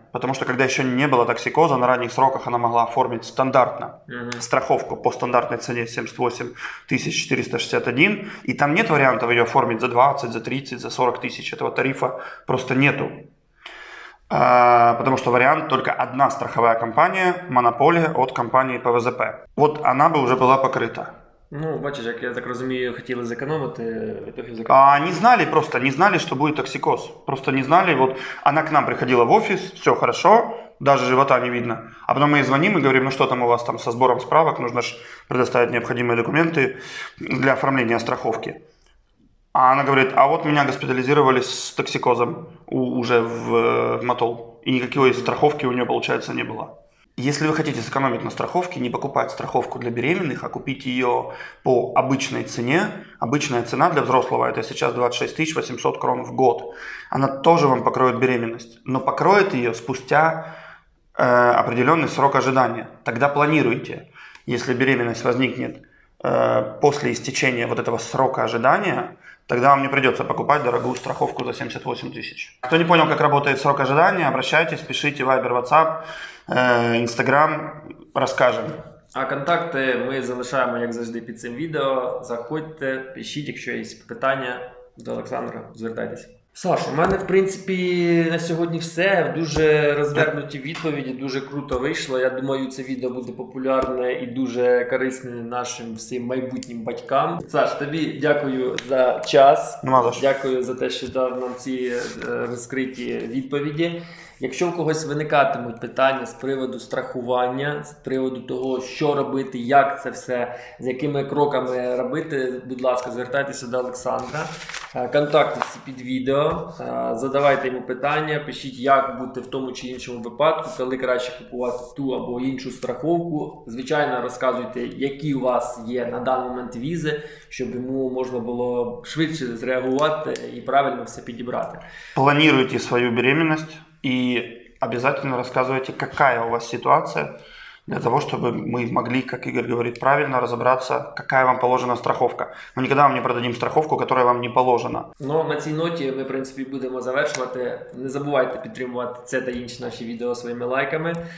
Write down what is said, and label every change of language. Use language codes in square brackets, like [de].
[ru] Потому что, когда еще не было токсикоза, на ранних сроках она могла оформить стандартно страховку по стандартной цене 78 461, и там нет вариантов ее оформить за 20, за 30, за 40 тысяч. Этого тарифа просто нету. Потому что вариант только одна страховая компания, монополия от компании ПВЗП. Вот она бы уже была покрыта. [uk] Ну, бачиш, як я так розумію, хотіли зекономити, [ru] в итоге [uk] зекономили. А не знали просто, не знали, що буде токсикоз. Просто не знали. [ru] Вот она к нам приходила в офис, все хорошо, даже живота не видно. А потом мы ей звоним и говорим, ну что там у вас там со сбором справок, нужно ж предоставить необходимые документы для оформления страховки. А она говорит, а вот меня госпитализировали с токсикозом уже в Матол. И никакой страховки у нее, получается, не было. Если вы хотите сэкономить на страховке, не покупать страховку для беременных, а купить ее по обычной цене, обычная цена для взрослого, это сейчас 26 800 крон в год, она тоже вам покроет беременность, но покроет ее спустя определенный срок ожидания. Тогда планируйте, если беременность возникнет после истечения вот этого срока ожидания, тогда вам не придется покупать дорогую страховку за 78 тысяч. Кто не понял, как работает срок ожидания, обращайтесь, пишите Viber, WhatsApp, Instagram, расскажем. А контакты мы залишаем, как завжди, под этим видео. [uk] Заходьте, пишите, если есть питання до Александра, звертайтесь. Саш, у мене, в принципі, на сьогодні все. Дуже розвернуті відповіді, дуже круто вийшло. Я думаю, це відео буде популярне і дуже корисне нашим всім майбутнім батькам. Саш, тобі дякую за час. Молодець. Дякую за те, що дав нам ці розкриті відповіді. Якщо у когось виникатимуть питання з приводу страхування, з приводу того, що робити, як це все, з якими кроками робити, будь ласка, звертайтеся до Олександра. Контакти всі під відео, задавайте йому питання, пишіть, як бути в тому чи іншому випадку, коли краще купувати ту або іншу страховку. Звичайно, розказуйте, які у вас є на даний момент візи, щоб йому можна було швидше зреагувати і правильно все підібрати. Плануйте свою беременність. [ru] И обязательно рассказывайте, какая у вас ситуация, для того, чтобы мы могли, как Игорь говорит, правильно разобраться, какая вам положена страховка. Мы никогда вам не продадим страховку, которая вам не положена. Но на этой ноте мы, в принципе, будем завершивать. Не забывайте поддерживать это и другие наши видео своими лайками.